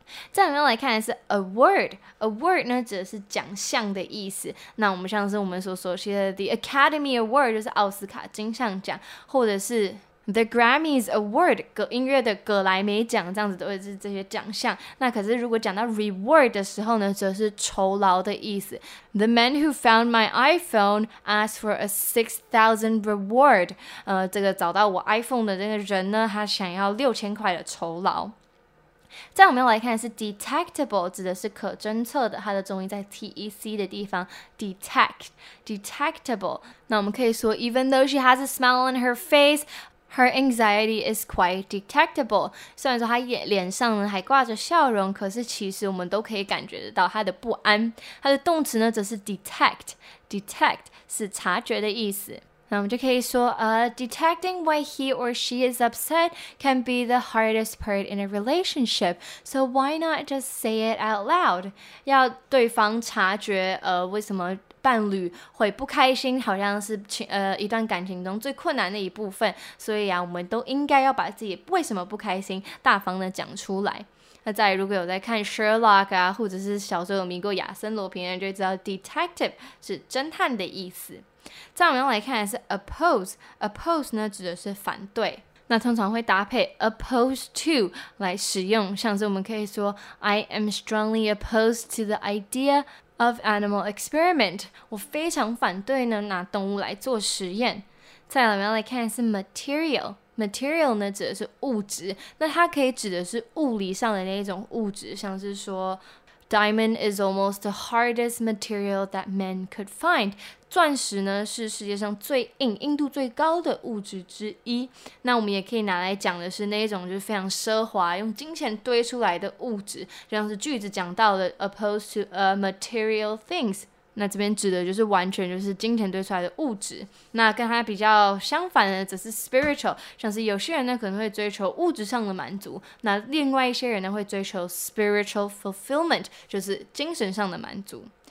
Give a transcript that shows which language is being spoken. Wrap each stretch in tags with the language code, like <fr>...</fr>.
<zh>再来来看的是 award 呢，指的是奖项的意思。那我们像是我们所熟悉的 the Academy Award 就是奥斯卡金像奖，或者是The Grammys Award， 音乐的葛莱美奖，这样子都是这些奖项。那可是如果讲到 reward 的时候呢，则是酬劳的意思。</zh> <en>The man who found my iPhone asked for a 6,000 reward。</en> <zh>这个找到我 iPhone 的这个人呢，他想要6000块的酬劳。再我们要来看的是 detectable， 指的是可侦测的，它的中音在 TEC 的地方 detectable。</zh> <en>那我们可以说，even though she has a smile on her face。 Her anxiety is quite detectable.</en> <zh>虽然说她脸上还挂着笑容，可是其实我们都可以感觉得到她的不安。她的动词呢，则是 detect 是察觉的意思。</zh> <en>那我们就可以说 detecting why he or she is upset can be the hardest part in a relationship. So why not just say it out loud?</en> <zh>要对方察觉为什么伴侣会不开心，好像是一段感情中最困难的一部分，所以啊，我们都应该要把自己为什么不开心大方的讲出来。那再来，如果有在看 Sherlock 啊，或者是小时候有迷过亚森罗平，就知道 detective 是侦探的意思。再我们要来看的是 oppose 呢，指的是反对。那通常会搭配 opposed to 来使用，像是我们可以说 I am strongly opposed to the ideaOf animal experiment，我非常反对呢拿动物来做实验。再来我们来看是 material 呢指的是物质，那它可以指的是物理上的那一种物质，像是说</zh> <en>Diamond is almost the hardest material that men could find.</en> <zh>钻石呢是世界上最硬、硬度最高的物质之一。那我们也可以拿来讲的是那一种就是非常奢华、用金钱堆出来的物质，就像是句子讲到的 opposed to a material things。那这边指的就是完全就是金钱堆出来的物质。那跟它比较相反的则是 spiritual， 像是有些人呢可能会追求物质上的满足，那另外一些人呢会追求 spiritual fulfillment， 就是精神上的满足。</zh>